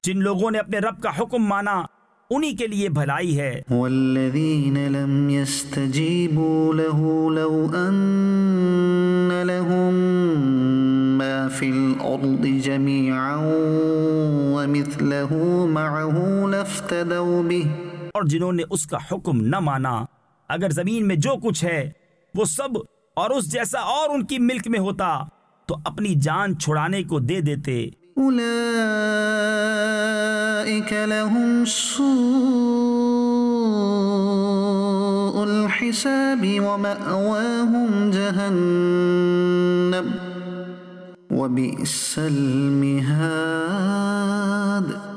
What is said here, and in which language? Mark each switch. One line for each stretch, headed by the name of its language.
Urdu: جن لوگوں نے اپنے رب کا حکم مانا انہی کے لیے بھلائی ہے.
Arabic: والذین لم يستجیبوا له لو ان لهم ما فی الارض جميعا ومثله معه لافتدوا به,
Urdu: اور جنہوں نے اس کا حکم نہ مانا اگر زمین میں جو کچھ ہے وہ سب اور اس جیسا اور ان کی ملک میں ہوتا تو اپنی جان چھڑانے کو دے دیتے.
Arabic: اولئک لہم سوء الحساب ومأواہم جہنم وبئس المہاد,